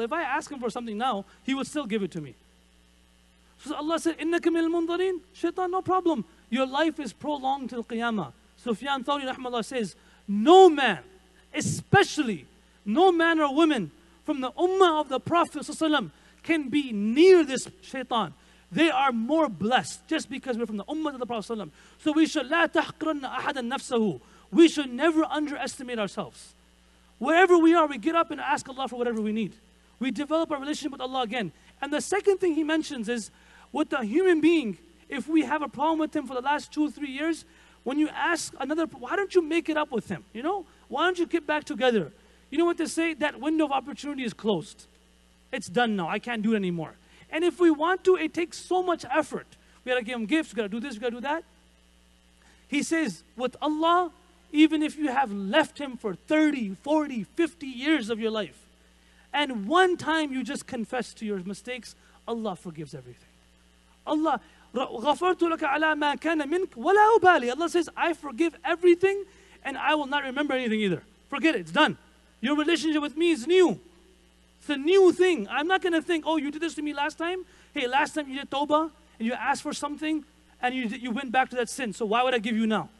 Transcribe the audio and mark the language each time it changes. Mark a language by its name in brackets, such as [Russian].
[English] If I ask him for something now, he would still give it to me. So Allah said, [Arabic] Innaka minal mundarin, [English] Shaitan, no problem. Your life is prolonged till Qiyamah. Sufyan Thawri rahimahullah says, no man, especially no man or woman from the ummah of the Prophet can be near this shaitan. They are more blessed just because we're from the ummah of the Prophet. So we should [Arabic] لا تحقرن أحدا نفسه. [English] We should never underestimate ourselves. Wherever we are, we get up and ask Allah for whatever we need. We develop our relationship with Allah again. And the second thing he mentions is, with a human being, if we have a problem with him for the last 2-3 years, when you ask another, why don't you make it up with him? You know, why don't you get back together? You know what they say? That window of opportunity is closed. It's done now. I can't do it anymore. And if we want to, it takes so much effort. We got to give him gifts. We got to do this. We got to do that. He says, with Allah, even if you have left him for 30, 40, 50 years of your life, and one time you just confess to your mistakes, Allah forgives everything. [Arabic] Allah, غَفَرْتُ لَكَ عَلَىٰ مَا كَانَ مِنْكَ وَلَا أُبَالِي. [English] Allah says, I forgive everything and I will not remember anything either. Forget it, it's done. Your relationship with me is new. It's a new thing. I'm not going to think, oh, you did this to me last time. Hey, last time you did tawbah and you asked for something and you went back to that sin. So why would I give you now?